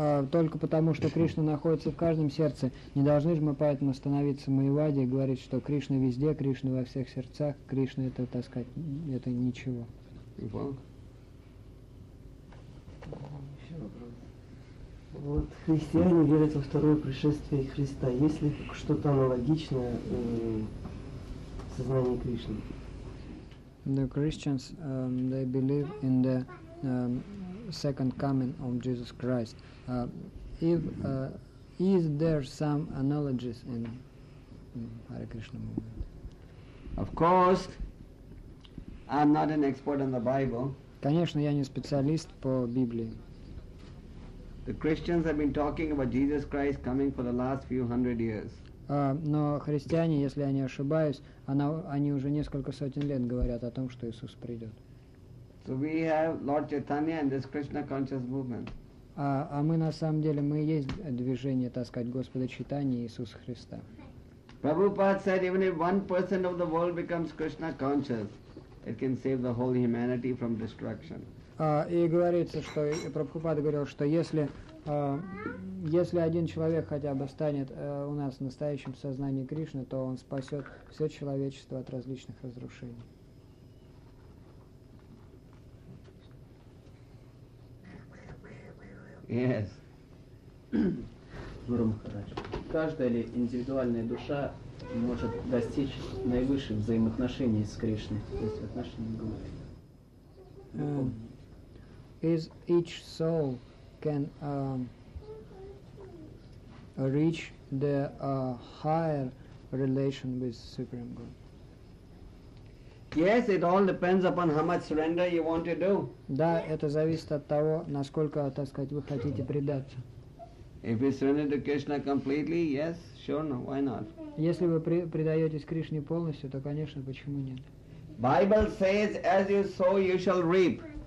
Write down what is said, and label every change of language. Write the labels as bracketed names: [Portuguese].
[Russian] Только потому, что Кришна находится в каждом сердце, не должны же мы поэтому становиться Майавади и говорить, что Кришна везде, Кришна во всех сердцах, Кришна это, так сказать, это ничего. Вот христиане верят во второе пришествие Христа. Есть ли что-то аналогичное в сознании Кришны? [English] The Christians, they believe in the second coming of Jesus Christ. Is there some analogies in Hare Krishna movement? Of course, I'm not an expert on the Bible. [Russian] Конечно, я не специалист по Библии. [English] The Christians have been talking about Jesus Christ coming for the last few hundred years. [Russian] Но христиане, если я не ошибаюсь, они уже несколько сотен лет говорят о том, что Иисус придет. [English] So we have Lord Chaitanya and this Krishna conscious movement. [Russian] А мы на самом деле, мы есть движение, так сказать, Господа Чайтаньи и Иисуса Христа. [English] Prabhupada said, even if 1% of the world becomes Krishna conscious, it can save the whole humanity from destruction. [Russian] И говорится, что Прабхупада говорил, что если Если один человек хотя бы станет у нас настоящим сознанием Кришны, то он спасет все человечество от различных разрушений. [English] Yes. [Russian] Гуру Махарадж, каждая ли индивидуальная душа может достичь наивысших взаимоотношений с Кришной, то есть отношений к Гуру? [English] Is each soul can reach the higher relation with Supreme Guru? Yes, it all depends upon how much surrender you want to do. [Russian] Да, это зависит от того, насколько, так сказать, вы хотите предаться. [English] If you surrender to Krishna completely, yes, sure, no, why not? [Russian] Если вы предаетесь Кришне полностью, то, конечно, почему нет? [English] Bible says, as you sow, you shall reap.